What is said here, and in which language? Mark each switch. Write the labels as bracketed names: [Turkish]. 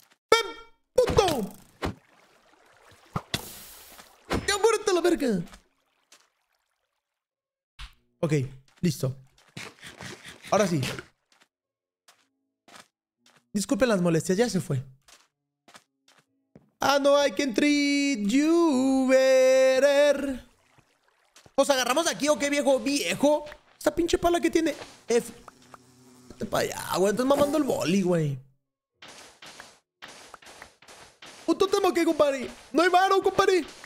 [Spanish] ¡Ven, puto! ¡Ya muérete a la verga! Ok, listo. Ahora sí. Disculpen las molestias, ya se fue. [English] Ah, no, I can treat you better. [Spanish] Pues agarramos aquí, ¿o qué, viejo? ¡Viejo! Esta pinche pala que tiene... F... Vete para allá, güey. Estás mamando el boli, güey. ¡Un tótem aquí, compadre! ¡No hay varo, compadre!